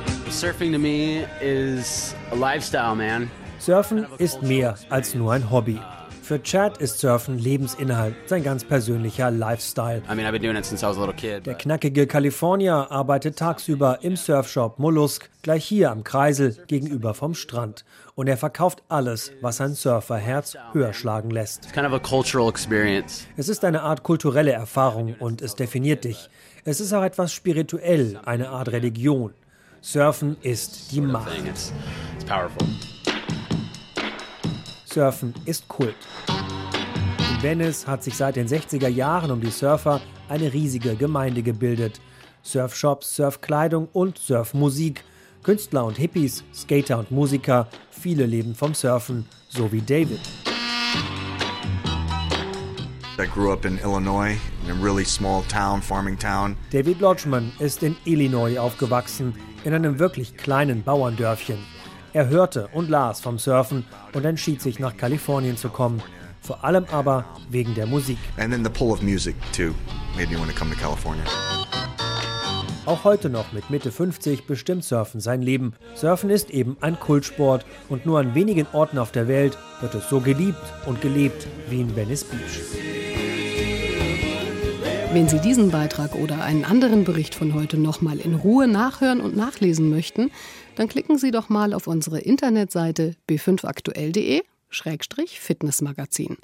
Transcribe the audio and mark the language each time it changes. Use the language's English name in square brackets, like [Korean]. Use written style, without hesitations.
[English] Surfing to me is a lifestyle, man. [German] Surfen ist mehr als nur ein Hobby. Für Chad ist Surfen Lebensinhalt, sein ganz persönlicher Lifestyle. [English] I mean, I've been doing it since I was a little kid. [German] Der knackige Kalifornier arbeitet tagsüber im Surfshop Mollusk, gleich hier am Kreisel gegenüber vom Strand. Und er verkauft alles, was sein Surferherz höher schlagen lässt. [English] It's kind of a cultural experience. [German] Es ist eine Art kulturelle Erfahrung und es definiert dich. Es ist auch etwas spirituell, eine Art Religion. Surfen ist die Macht. [English] It's powerful. [German] Surfen ist Kult. In Venice hat sich seit den 60er Jahren um die Surfer eine riesige Gemeinde gebildet. Surfshops, Surfkleidung und Surfmusik. Künstler und Hippies, Skater und Musiker, viele leben vom Surfen, so wie David. [English] I grew up in Illinois, in a really small town, farming town. [German] David Lodgman ist in Illinois aufgewachsen, in einem wirklich kleinen Bauerndörfchen. Er hörte und las vom Surfen und entschied sich, nach Kalifornien zu kommen. Vor allem aber wegen der Musik. [English] And then the pull of music too made me want to come to California. [German] Auch heute noch mit Mitte 50 bestimmt Surfen sein Leben. Surfen ist eben ein Kultsport und nur an wenigen Orten auf der Welt wird es so geliebt und gelebt wie in Venice Beach. Wenn Sie diesen Beitrag oder einen anderen Bericht von heute nochmal in Ruhe nachhören und nachlesen möchten, dann klicken Sie doch mal auf unsere Internetseite b5aktuell.de/fitnessmagazin.